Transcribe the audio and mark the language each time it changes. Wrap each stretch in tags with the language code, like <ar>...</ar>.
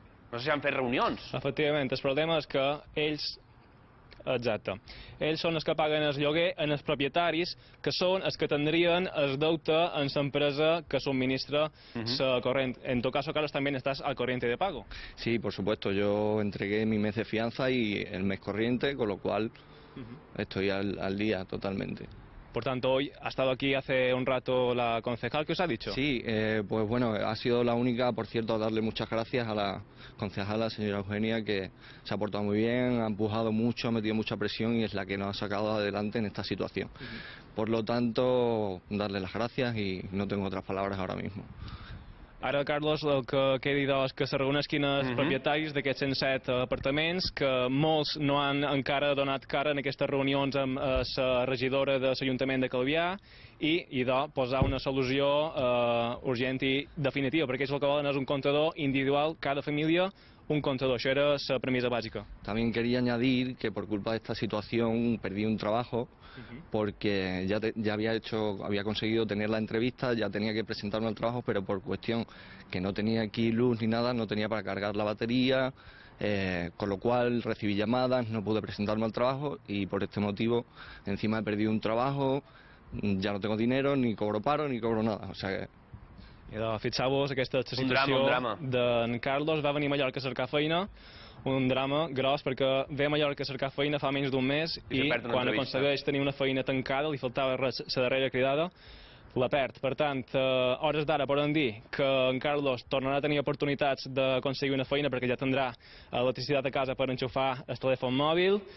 <ca>No sé si han fet reunions. Efectivament, el problema és que ells... Exacte. Ells són els que paguen el lloguer en els propietaris, que són els que tindrien el deute en l'empresa que subministra la corrent.</ca> <es>En tu caso, Carlos,</es> <ca>també estàs</ca> <es>al corriente de pago. Sí, por supuesto. Yo entregué mi mes de fianza y el mes corriente, con lo cual... Estoy al día totalmente. Por tanto, hoy ha estado aquí hace un rato la concejal. ¿Qué os ha dicho? Sí, pues bueno, ha sido la única, por cierto, a darle muchas gracias a la concejal, la señora Eugenia, que se ha portado muy bien, ha empujado mucho, ha metido mucha presión y es la que nos ha sacado adelante en esta situación. Por lo tanto, darle las gracias y no tengo otras palabras ahora mismo.</es> <ca>Ara, Carlos, el que quedi és que se reuneixin els propietaris d'aquests 107 apartaments, que molts no han encara donat cara en aquestes reunions amb la regidora de l'Ajuntament de Calvià, i idò, posar una solució urgent i definitiva, perquè ells el que volen és un comptador individual, cada família un comptador. Això era la premissa bàsica. També volia añadir que per culpa d'aquesta situació perdí un treball,</ca> <es>porque ya había conseguido tener la entrevista, ya tenía que presentarme al trabajo, pero por cuestión que no tenía aquí luz ni nada, no tenía para cargar la batería, con lo cual recibí llamadas, no pude presentarme al trabajo y por este motivo encima he perdido un trabajo, ya no tengo dinero, ni cobro paro, ni cobro nada, o sea que...</es> <ca>Fixeu-vos, aquesta situació d'en Carlos, va venir a Mallorca a cercar feina. Un drama gros, perquè ve a Mallorca a cercar feina fa menys d'un mes i quan aconsegueix tenir una feina tancada, li faltava la darrera cridada, la perd. Per tant, hores d'ara podem dir que en Carlos tornarà a tenir oportunitats d'aconseguir una feina, perquè ja tindrà electricitat a casa per enxufar el telèfon mòbil.</ca>